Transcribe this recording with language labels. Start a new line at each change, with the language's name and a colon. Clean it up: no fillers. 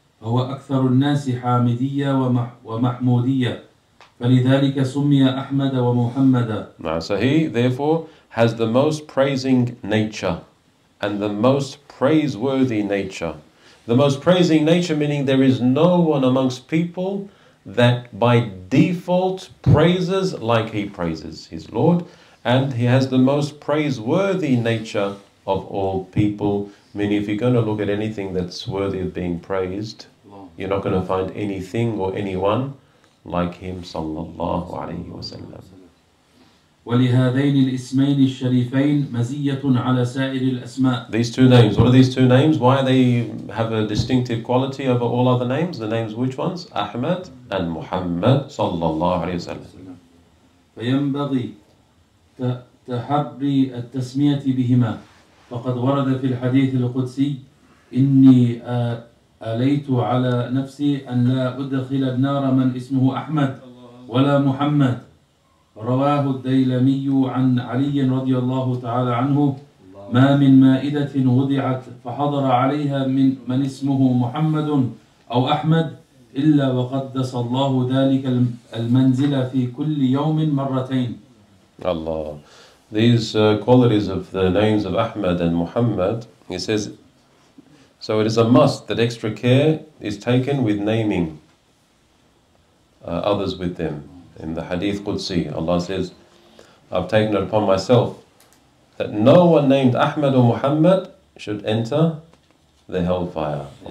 Arabic: فهو أكثر الناس حامدية ومحمودية فلذلك سمي أحمد ومحمد.
English: Now, so he therefore has the most praising nature and the most praiseworthy nature. The most praising nature meaning there is no one amongst people that by default praises like he praises his Lord, and he has the most praiseworthy nature of all people. Meaning if you're going to look at anything that's worthy of being praised, you're not going to find anything or anyone like him sallallahu alayhi wa sallam.
Arabic: ولهذين الاسمين الشريفين مزية على سائر الأسماء.
English: These two names, what are these two names? Why they have a distinctive quality over all other names? The names which ones? Ahmad and Muhammad
Arabic: صلى الله عليه وسلم. فينبغي تحري التسمية بهما فقد ورد في الحديث القدسي إني أليت على نفسي أن لا أدخل النار من اسمه أحمد ولا محمد. رواه الديلمي عن علي رضي الله تعالى عنه ما من مائدة وضعت فحضر عليها من اسمه محمد أو أحمد إلا وقدس الله ذلك المنزل في كل يوم مرتين.
English: Allah. These qualities of the names of Ahmad and Muhammad, he says, so it is a must that extra care is taken with naming others with them. In the Hadith Qudsi, Allah says, I've taken it upon myself that no one named Ahmad or Muhammad should enter the hellfire. Yeah.